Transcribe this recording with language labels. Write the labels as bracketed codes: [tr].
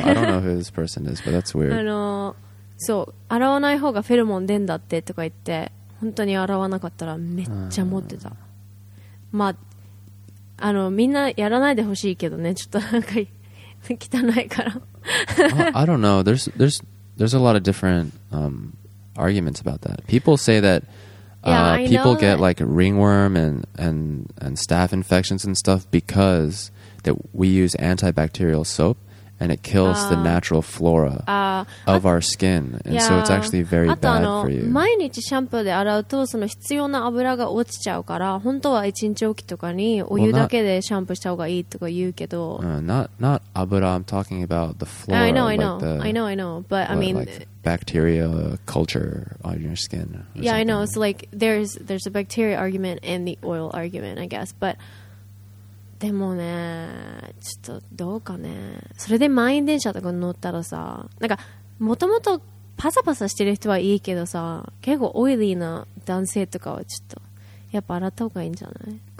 [en] who this person is, but that's weird. [ja] そう、洗わない方がフェロモン出んだってとか言って、本当に洗わなかったらめっちゃモテた。まあみんなやらないでほしいけどね、ちょっとなんか汚いから。 [en] I don't know. There's a lot of different arguments about that. People say that people get like ringworm and staph infections and stuff because that we use antibacterial soap and it kills the natural flora of our skin. And so it's actually very bad for you. [ja] 毎日シャンプーで洗うとその必要な油が落ちちゃうから、本当は1日おきとかにお湯だけでシャンプーした方がいいとか言うけど。 [en] Not 油, I'm talking about the flora. I know. But I mean... Like bacteria culture on your skin. Yeah, I know. It's like there's a bacteria argument and the oil argument, I guess. But... [ja] でもね、ちょっとどうかね。それで満員電車とか乗ったらさ、なんかもともとパサパサしてる人はいいけどさ、結構オイリーな男性とかはちょっとやっぱ洗った方がいいんじゃない？